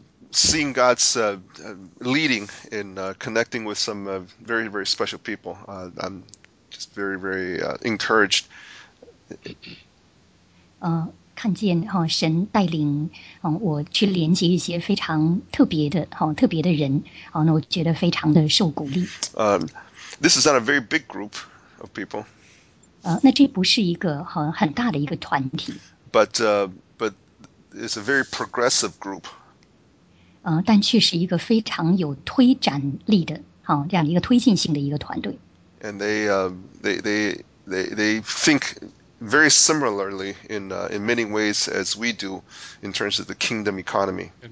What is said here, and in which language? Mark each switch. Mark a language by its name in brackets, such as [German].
[English] Seeing God's leading in connecting with some very very special people, I'm just very very encouraged. [Chinese] 看见哈神带领啊我去连接一些非常特别的哈特别的人啊那我觉得非常的受鼓励。 [English] This is not a very big group of people. [Chinese] 那这不是一个哈很大的一个团体。 [English] But it's a very progressive group. [Chinese] 但却是一个非常有推展力的哈这样一个推进性的一个团队。 [English] And they think. Very similarly in many ways as we do in terms of the kingdom economy.